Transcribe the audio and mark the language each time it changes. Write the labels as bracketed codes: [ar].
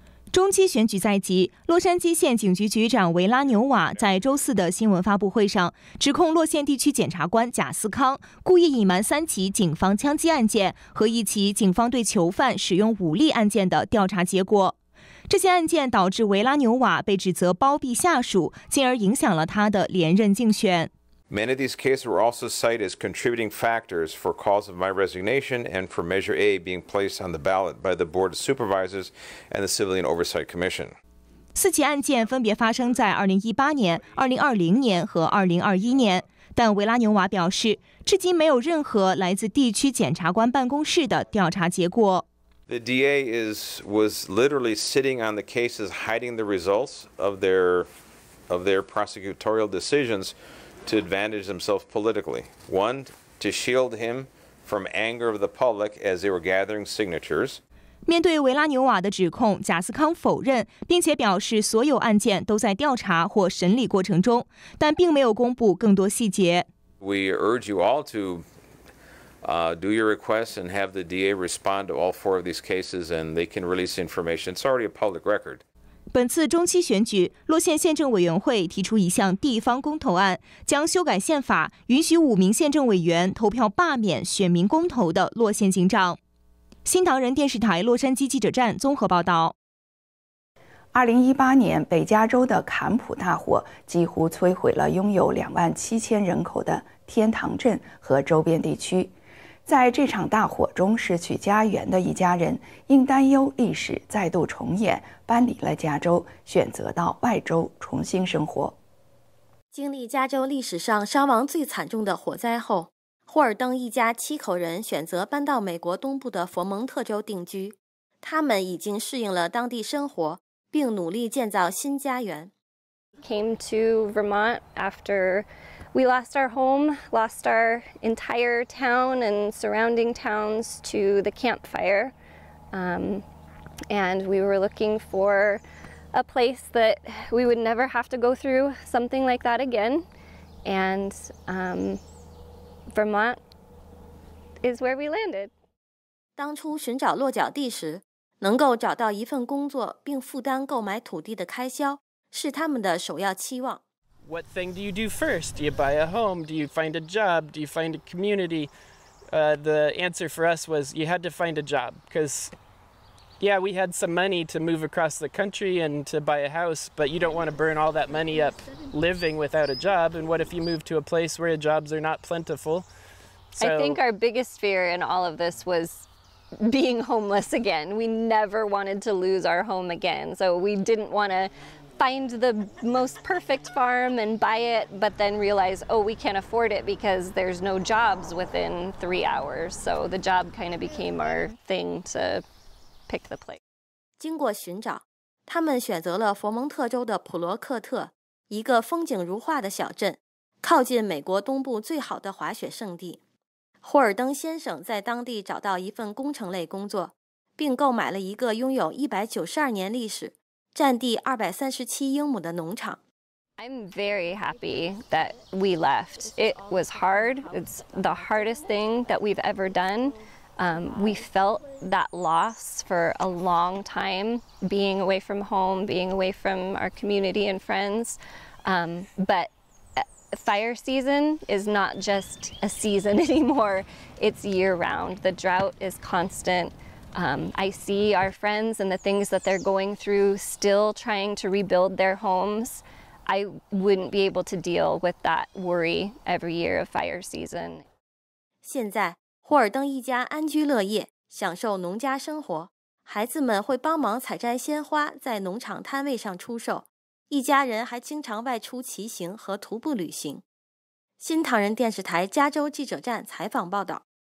[zh] 中期选举在即，洛杉矶县警局局长维拉纽瓦在周四的新闻发布会上指控洛县地区检察官贾斯康故意隐瞒3起警方枪击案件和1起警方对囚犯使用武力案件的调查结果。这些案件导致维拉纽瓦被指责包庇下属，进而影响了他的连任竞选。 [en] Many of these cases were also cited as contributing factors for cause of my resignation and for Measure A being placed on the ballot by the Board of Supervisors and the Civilian Oversight Commission. [zh] 四起案件分别发生在2018年、2020年和2021年，但维拉纽瓦表示，至今没有任何来自地区检察官办公室的调查结果。 [en] The DA was literally sitting on the cases, hiding the results of their prosecutorial decisions. To advantage himself politically. One, to shield him from anger of the public as they were gathering signatures. [zh] 面对维拉纽瓦的指控，贾斯康否认，并且表示所有案件都在调查或审理过程中，但并没有公布更多细节。 [en] We urge you all to do your requests and have the DA respond to all 4 of these cases, and they can release information. It's already a public record. [zh] 本次中期选举，洛县县政委员会提出一项地方公投案，将修改宪法，允许五名县政委员投票罢免选民公投的洛县警长。新唐人电视台洛杉矶记者站综合报道。 2018年，北加州的坎普大火几乎摧毁了拥有27000人口的天堂镇和周边地区。在这场大火中失去家园的一家人，因担忧历史再度重演，搬离了加州，选择到外州重新生活。经历加州历史上伤亡最惨重的火灾后，霍尔登一家七口人选择搬到美国东部的佛蒙特州定居。他们已经适应了当地生活，并努力建造新家园。 [en] Came to Vermont after we lost our home, lost our entire town and surrounding towns to the campfire. And we were looking for a place that we would never have to go through something like that again. And Vermont is where we landed. [zh] 当初寻找落脚地时，能够找到一份工作并负担购买土地的开销是他们的首要期望。 [en] What thing do you do first? Do you buy a home? Do you find a job? Do you find a community? The answer for us was you had to find a job because, yeah, we had some money to move across the country and to buy a house, but you don't want to burn all that money up living without a job. And what if you move to a place where jobs are not plentiful? So, I think our biggest fear in all of this was being homeless again. We never wanted to lose our home again, so we didn't want to. Find the most perfect farm and buy it, but then realize, oh, we can't afford it because there's no jobs within 3 hours. So the job kind of became our thing to pick the place. [zh] 经过寻找，他们选择了佛蒙特州的普罗克特，一个风景如画的小镇，靠近美国东部最好的滑雪圣地。霍尔登先生在当地找到一份工程类工作，并购买了一个拥有192年历史。占地237英亩的农场。 [en] I'm very happy that we left. It was hard. It's the hardest thing that we've ever done. We felt that loss for a long time, being away from home, being away from our community and friends. But fire season is not just a season anymore. It's year round. The drought is constant. I see our friends and the things that they're going through still trying to rebuild their homes. I wouldn't be able to deal with that worry every year of fire season. [zh] 现在霍尔登一家安居乐业，享受农家生活。孩子们会帮忙采摘鲜花，在农场摊位上出售。一家人还经常外出骑行和徒步旅行。新唐人电视台加州记者站采访报道。